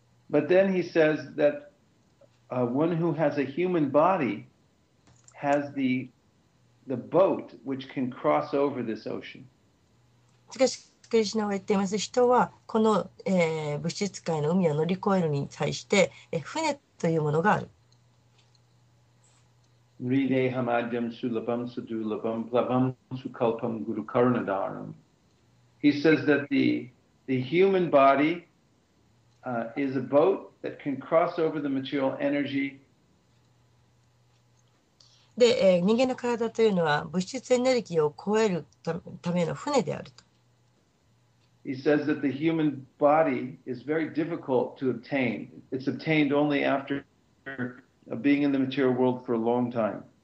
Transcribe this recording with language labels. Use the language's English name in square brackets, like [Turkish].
[English] But then he says that one who has a human body has the boat which can cross over this ocean. [Japanese] しかし、クリシュナは言っています。人はこの、物質界の海を乗り越えるに対して、船というものがある。 [Sanskrit] リデハマジャムスラバムスドゥラバムプラバムスカルパムグルカルナダーナム。 [English] He says that the human body is a boat that can cross over the material energy. [Japanese] で、人間の体というのは物質エネルギーを超えるための船であると。 [English] He says that the human body is very difficult to obtain. It's obtained only after being in the material world for a long time.